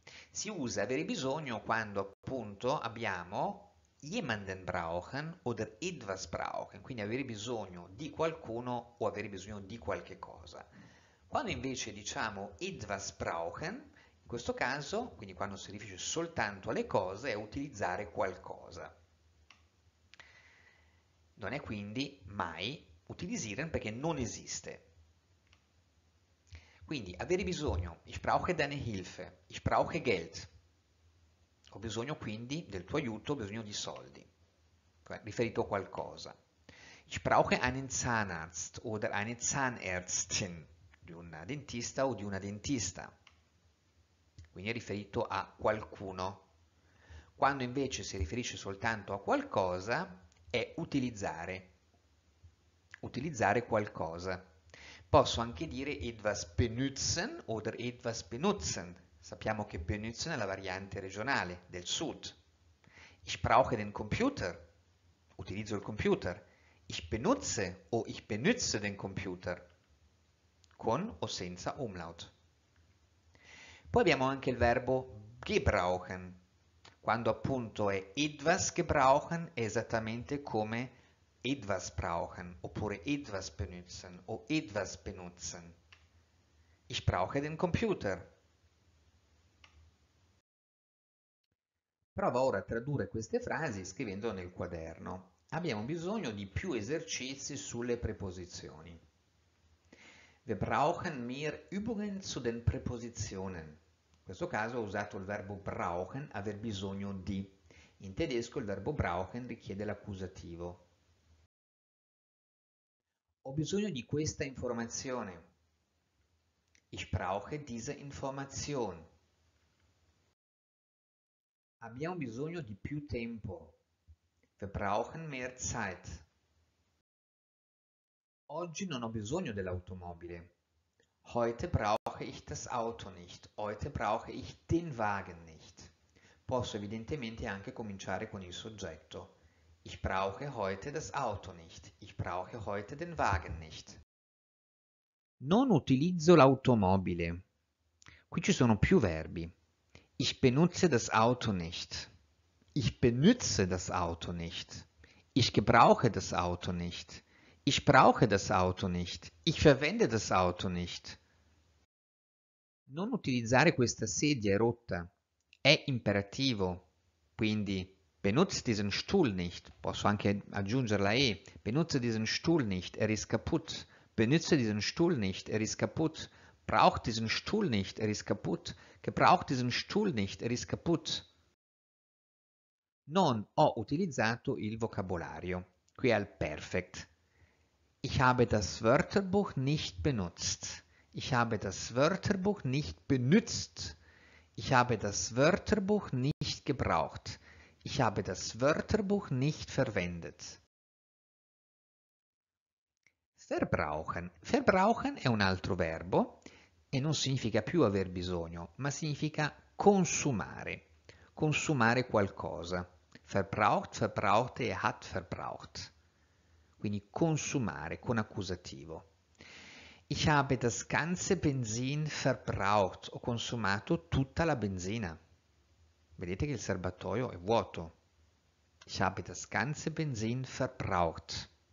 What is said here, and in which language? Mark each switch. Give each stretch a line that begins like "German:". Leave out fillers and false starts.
Italian: Si usa avere bisogno quando appunto abbiamo
German: jemanden brauchen oder etwas brauchen,
Italian: quindi avere bisogno di qualcuno o avere bisogno di qualche cosa. Quando invece diciamo etwas brauchen, in questo caso, quindi quando si riferisce soltanto alle cose, è utilizzare qualcosa. Non è quindi mai utilisieren perché non esiste. Quindi avere bisogno,
German: ich brauche deine Hilfe, ich brauche Geld.
Italian: Ho bisogno quindi del tuo aiuto, ho bisogno di soldi. Riferito a qualcosa.
German: Ich brauche einen Zahnarzt oder eine Zahnärztin,
Italian: di un dentista o di una dentista. Quindi è riferito a qualcuno. Quando invece si riferisce soltanto a qualcosa, è utilizzare, utilizzare qualcosa. Posso anche dire
German: etwas benutzen oder etwas benutzen,
Italian: Sappiamo che Benutzen è la variante regionale del sud.
German: Ich brauche den Computer.
Italian: Utilizzo il computer.
German: Ich benutze o ich benutze den Computer.
Italian: Con o senza umlaut. Poi abbiamo anche il verbo gebrauchen. Quando appunto è etwas gebrauchen, è esattamente come etwas brauchen, oppure etwas benutzen, o etwas benutzen.
German: Ich brauche den Computer.
Italian: Prova ora a tradurre queste frasi scrivendole nel quaderno. Abbiamo bisogno di più esercizi sulle preposizioni.
German: Wir brauchen mehr Übungen zu den Präpositionen.
Italian: In questo caso ho usato il verbo brauchen, aver bisogno di. In tedesco il verbo brauchen richiede l'accusativo. Ho bisogno di questa informazione.
German: Ich brauche diese Information.
Italian: Abbiamo bisogno di più tempo.
German: Wir brauchen mehr Zeit.
Italian: Oggi non ho bisogno dell'automobile.
German: Heute brauche ich das Auto nicht. Heute brauche ich den Wagen nicht.
Italian: Posso evidentemente anche cominciare con il soggetto.
German: Ich brauche heute das Auto nicht. Ich brauche heute den Wagen nicht.
Italian: Non utilizzo l'automobile. Qui ci sono più verbi.
German: Ich benutze das Auto nicht. Ich benutze das Auto nicht. Ich gebrauche das Auto nicht. Ich brauche das Auto nicht. Ich verwende das Auto nicht.
Italian: Non utilizzare questa sedia è rotta. È imperativo. Quindi,
German: benutze diesen Stuhl nicht.
Italian: Posso anche aggiungere la E.
German: Benutze diesen Stuhl nicht. Er ist kaputt. Benutze diesen Stuhl nicht. Er ist kaputt. Brauch diesen Stuhl nicht. Er ist kaputt. Gebrauch diesen Stuhl nicht. Er ist kaputt.
Italian: Non ho utilizzato il vocabolario. Qui è al perfect.
German: Ich habe das Wörterbuch nicht benutzt. Ich habe das Wörterbuch nicht benutzt. Ich habe das Wörterbuch nicht gebraucht. Ich habe das Wörterbuch nicht verwendet. Verbrauchen.
Italian: Verbrauchen è un altro verbo e non significa più aver bisogno, ma significa consumare. Consumare qualcosa.
German: Verbraucht, verbrauchte, er hat verbraucht.
Italian: Quindi consumare con accusativo.
German: Ich habe das ganze Benzin verbraucht.
Italian: Ho consumato tutta la benzina. Vedete che il serbatoio è vuoto.
German: Ich habe das ganze Benzin verbraucht.